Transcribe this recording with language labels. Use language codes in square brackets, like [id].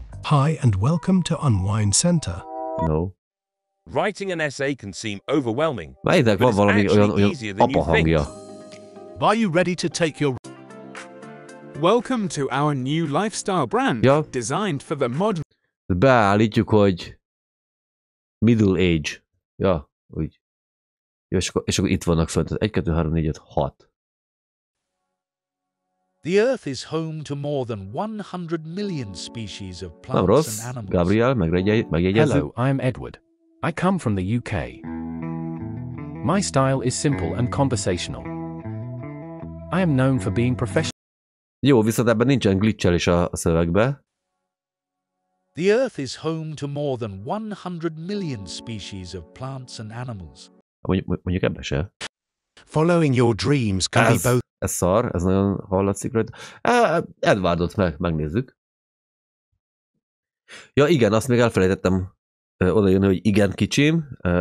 [en] Hi, and welcome to Unwind Centre. No. Writing an essay can seem overwhelming, but it's actually easier than you think. Are you ready to take your... Welcome to our new lifestyle brand, designed for the modern... [hu] Beállítjuk, hogy middle age. Ja, úgy. Ja, és akkor itt vannak fönt. 1, 2, 3, 4, 5, 6. [en] The Earth is home to more than 100 million species of plants and animals. Gabriel, [hu] megjegyezzük. [en] Hello, I'm Edward. I come from the UK. My style is simple and conversational. I am known for being professional. [hu] Jó, viszont ebben nincsen glitchelés a szövegbe. [en] The Earth is home to more than 100 million species of plants and animals. [hu] Mondjuk ebben se. [en] Following your dreams can be both... [hu] Ez szar, ez nagyon hallatszik rajta. Edwardot megnézzük. Ja, igen, azt még elfelejtettem oda jönni, hogy igen, kicsim.